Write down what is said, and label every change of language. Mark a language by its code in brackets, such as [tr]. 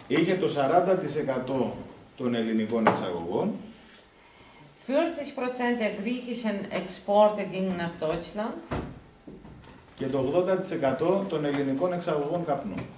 [el] Είχε το 40% των ελληνικών εξαγωγών. [de] 40% der griechischen Exporte gingen nach Deutschland. [el] Και το 80% των ελληνικών εξαγωγών καπνού.